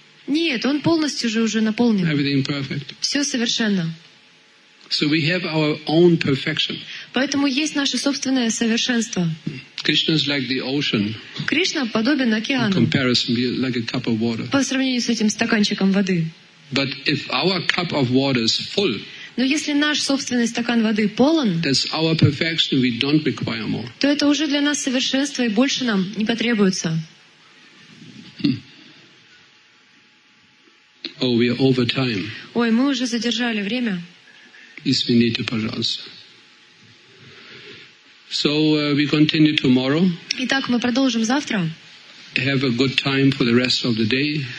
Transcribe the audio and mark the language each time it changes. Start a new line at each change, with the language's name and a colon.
Russian: Нет, он полностью уже наполнен.
English: Everything perfect.
Russian: Все совершенно.
English: So we have our own perfection.
Russian: Поэтому есть наше собственное совершенство.
English: Krishna is like the ocean.
Russian: Кришна подобен океану.
English: In comparison, like a cup of water.
Russian: По сравнению с этим стаканчиком воды.
English: But if our cup of water is full,
Russian: но если наш собственный стакан воды полон,
English: that's our perfection, we don't require more.
Russian: То это уже для нас совершенство, и больше нам не потребуется.
English: Oh, we are over time.
Russian: Ой, мы уже задержали время. Извините, пожалуйста.
English: So we continue tomorrow.
Russian: Итак, мы продолжим завтра.
English: Have a good time for the rest of the day.